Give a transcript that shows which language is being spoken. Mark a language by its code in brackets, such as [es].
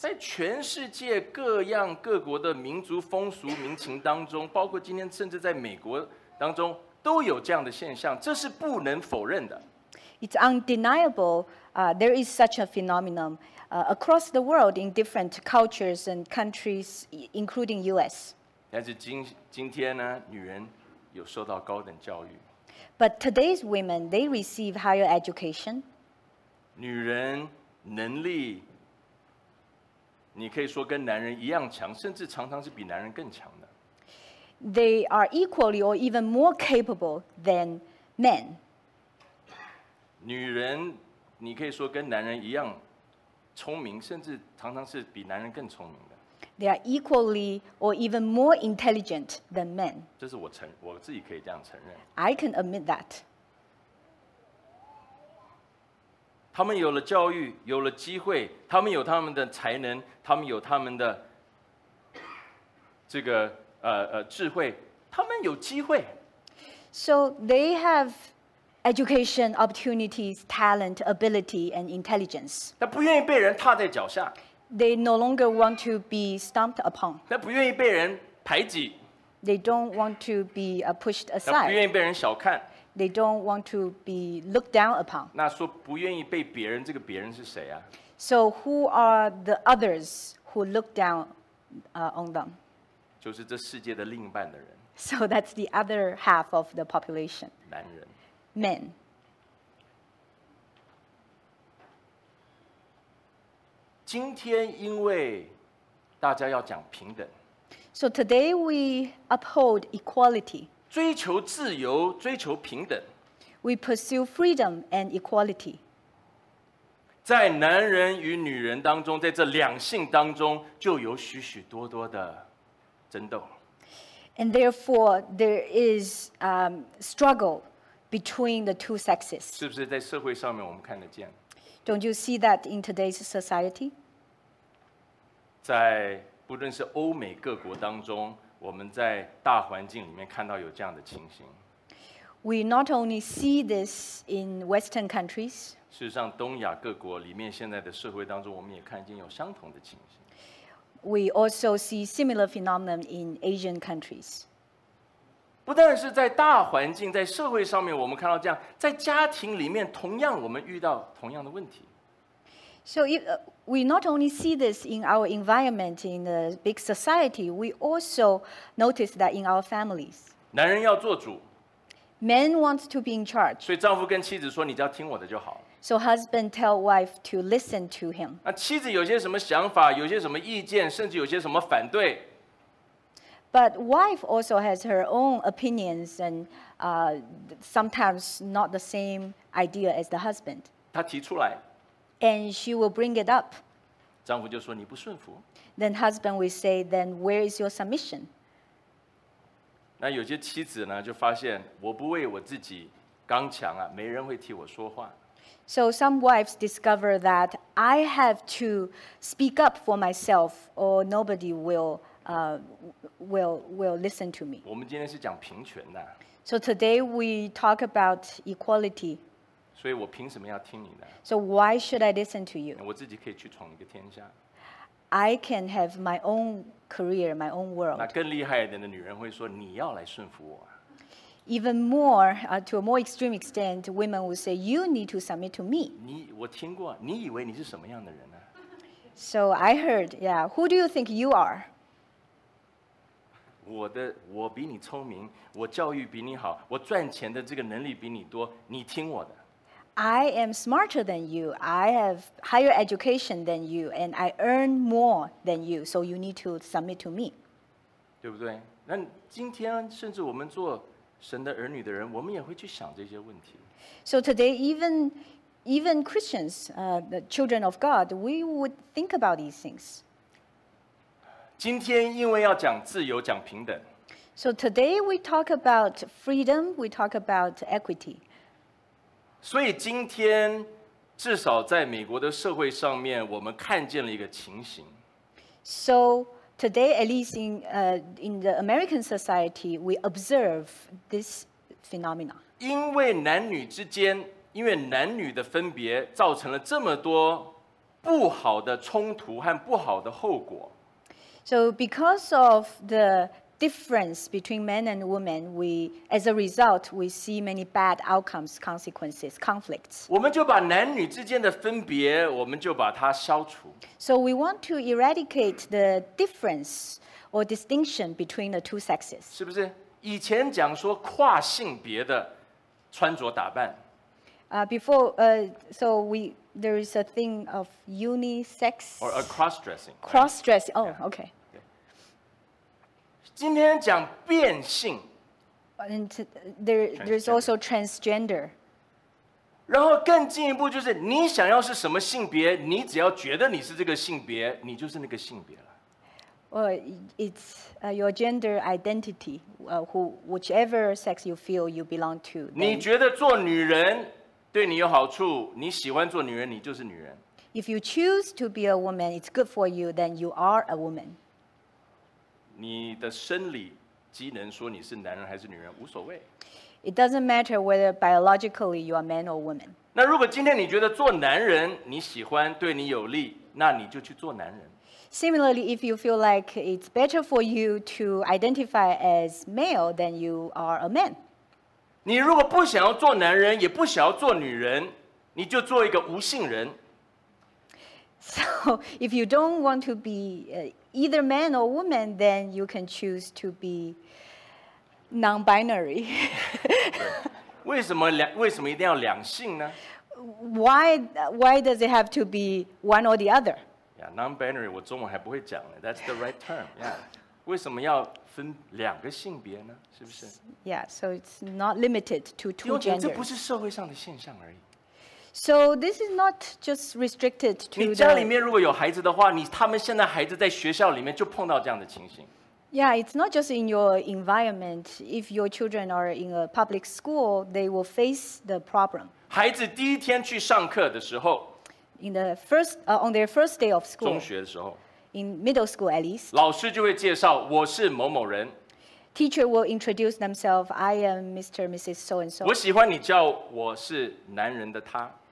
[zh] 在全世界各样各国的民族风俗民情当中，包括今天甚至在美国当中都有这样的现象，这是不能否认的。 [en] It's undeniable. There is such a phenomenon across the world in different cultures and countries, including U.S. [zh] 但是今天呢，女人有受到高等教育。 [en] But today's women, they receive higher education. [zh] 女人能力，你可以说跟男人一样强，甚至常常是比男人更强的。 [en] They are equally or even more capable than men. [zh] 女人，你可以说跟男人一样聪明，甚至常常是比男人更聪明的。 [en] They are equally or even more intelligent than men. [zh] 这是我自己可以这样承认。 [en] I can admit that. [zh] 他们有了教育，有了机会，他们有他们的才能，他们有他们的这个智慧，他们有机会。 [en] So they have. Education, opportunities, talent, ability, and intelligence. [zh] 他不愿意被人踏在脚下。 [en] They no longer want to be stomped upon. [zh] 他不愿意被人排挤。 [en] They don't want to be pushed aside. [zh] 他不愿意被人小看。 [en] They don't want to be looked down upon. [zh] 那说不愿意被别人，这个别人是谁啊？ [en] So who are the others who look down on them. [zh] 就是这世界的另一半的人。 [en] So that's the other half of the population. [zh] 男人。 [en] Men. [zh] 今天因为大家要讲平等。 [en] So today we uphold equality. [zh] 追求自由，追求平等。 [en] We pursue freedom and equality. [zh] 在男人与女人当中，在这两性当中，就有许许多多的争斗。 [en] And therefore, there is struggle between the two sexes. [zh] 是不是在社会上面我们看得见？ [en] Don't you see that in today's society? [zh] 在不论是欧美各国当中，我们在大环境里面看到有这样的情形。 [en] We not only see this in Western countries. [zh] 事实上，东亚各国里面现在的社会当中，我们也看见有相同的情形。 [en] We also see similar phenomenon in Asian countries. [zh] 不但是在大环境，在社会上面我们看到这样，在家庭里面同样我们遇到同样的问题。 [en] So we not only see this in our environment in the big society, we also notice that in our families. [zh] 男人要做主。 [en] Men wants to be in charge. [zh] 所以丈夫跟妻子说，你只要听我的就好。 [en] So husband tell wife to listen to him. [zh] 那妻子有些什么想法，有些什么意见，甚至有些什么反对。 [en] But wife also has her own opinions and sometimes not the same idea as the husband. [zh] 她提出来。 [en] And she will bring it up. [zh] 丈夫就说你不顺服。 [en] Then husband will say, then where is your submission? [zh] 那有些妻子呢，就发现我不为我自己刚强啊，没人会替我说话。 [en] So some wives discover that I have to speak up for myself or nobody will listen to me. [zh] 我们今天是讲平权的。 [en] So today we talk about equality. [zh] 所以我凭什么要听你的？ [en] So why should I listen to you? [zh] 我自己可以去闯一个天下。 [en] I can have my own career, my own world. [zh] 那更厉害一点的女人会说，你要来顺服我。 [en] Even more, to a more extreme extent, women will say, you need to submit to me. [zh] 你，我听过，你以为你是什么样的人呢？ [en] So I heard, yeah, who do you think you are? [zh] 我比你聪明，我教育比你好，我赚钱的这个能力比你多，你听我的。 [en] I am smarter than you, I have higher education than you, and I earn more than you, so you need to submit to me. [zh] 对不对？那今天甚至我们做神的儿女的人，我们也会去想这些问题。 [en] So today, even Christians, the children of God, we would think about these things. [zh] 今天因为要讲自由，讲平等。 [en] So today we talk about freedom, we talk about equity. [zh] 所以今天至少在美国的社会上面，我们看见了一个情形。 [en] So. Today, at least in the American society, we observe this phenomena. [zh] 因为男女之间，因为男女的分别，造成了这么多不好的冲突和不好的后果。 [en] So because of the difference between men and women, as a result, we see many bad outcomes, consequences, conflicts. [zh] 我们就把男女之间的分别，我们就把它消除。 [en] So we want to eradicate the difference or distinction between the two sexes. [zh] 是不是？以前讲说跨性别的穿着打扮。 [en] There is a thing of unisex. Or a cross-dressing. Cross-dressing, oh, okay. [zh] 今天讲变性 [en] ，and there's also transgender。 [zh] 然后更进一步就是，你想要是什么性别，你只要觉得你是这个性别，你就是那个性别了。 [en] Well, it's your gender identity. Whichever sex you feel you belong to. [zh] 你觉得做女人对你有好处，你喜欢做女人，你就是女人。 [en] If you choose to be a woman, it's good for you. Then you are a woman. [zh] 你的生理机能说你是男人还是女人无所谓。 [en] It doesn't matter whether biologically you are man or woman. [zh] 那如果今天你觉得做男人你喜欢对你有利，那你就去做男人。 [en] Similarly, if you feel like it's better for you to identify as male, then you are a man. [zh] 你如果不想要做男人，也不想要做女人，你就做一个无性人。 [en] So if you don't want to be either man or woman, then you can choose to be non-binary. [zh] 为什么一定要两性呢? [en] Why does it have to be one or the other? Yeah, non-binary, [zh] 我中文还不会讲呢, [en] that's the right term. Yeah. [zh] 为什么要分两个性别呢? 是不是? [en] Yeah, so it's not limited to two genders. [zh] 因为这不是社会上的现象而已。 [en] So this is not just restricted to [zh] 你家里面如果有孩子的话, 他们现在孩子在学校里面就碰到这样的情形。 [en] Yeah, it's not just in your environment. If your children are in a public school, they will face the problem. [zh] 孩子第一天去上课的时候, [en] on their first day of school, [zh] 中学的时候, [en] in middle school at least, [zh] 老师就会介绍我是某某人。 [en] Teacher will introduce themselves. I am Mr. Mrs. So-and-so. [zh] 我喜欢你叫我是男人的他。